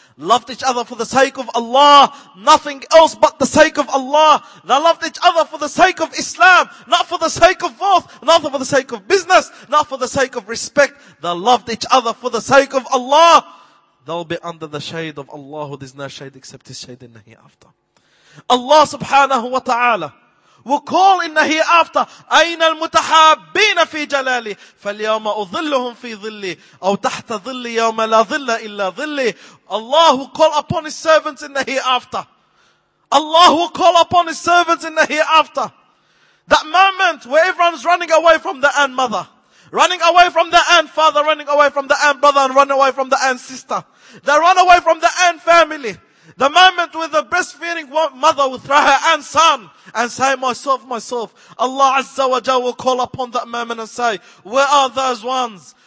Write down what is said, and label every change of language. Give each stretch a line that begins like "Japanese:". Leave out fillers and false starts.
English: Loved each other for the sake of Allah. Nothing else but the sake of Allah. They loved each other for the sake of Islam. Not for the sake of wealth. Not for the sake of business. Not for the sake of respect. They loved each other for the sake of Allah. They'll be under the shade of Allah, who there's no shade except his shade in the hereafter. Allah subhanahu wa ta'ala will call in the hereafter,
Arabic: أَيْنَ الْمُتَحَابِينَ فِي جَلَالِي فَالْيَوْمَ أُظِلُّهُمْ فِي ظِلِّي أَوْ تَحْتَ ظِلِّي يَوْمَ لَا ظِلَّ إِلَّا ظِلِّي.
English: Allah will call upon his servants in the hereafter. Allah will call upon his servants in the hereafter. That moment where everyone's running away from the aunt mother, running away from the aunt father, running away from the aunt brother, and running away from the aunt sister. They run away from the aunt family. The moment with the breastfeeding mother will throw her own son and say, myself, Allah Azza wa Jalla will call upon that moment and say, where are those ones?